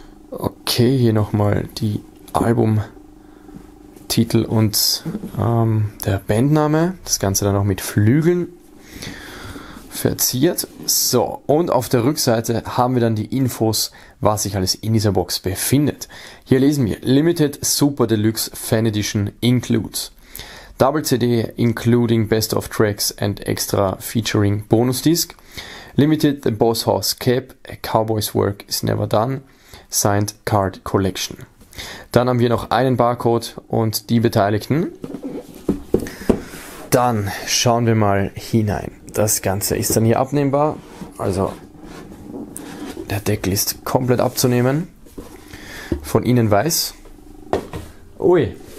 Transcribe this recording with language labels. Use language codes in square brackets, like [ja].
[de] Okay, hier nochmal die Albumtitel und der Bandname. Das Ganze dann noch mit Flügeln verziert. So, und auf der Rückseite haben wir dann die Infos, was sich alles in dieser Box befindet. Hier lesen wir [en] Limited Super Deluxe Fan Edition Includes. Double CD including Best of Tracks and Extra Featuring Bonus Disc. Limited The Boss Hoss Cap, A Cowboy's Work is Never Done. Signed Card Collection. [de] Dann haben wir noch einen Barcode und die Beteiligten. Dann schauen wir mal hinein. Das Ganze ist dann hier abnehmbar. Also der Deckel ist komplett abzunehmen. Von innen weiß. Ui.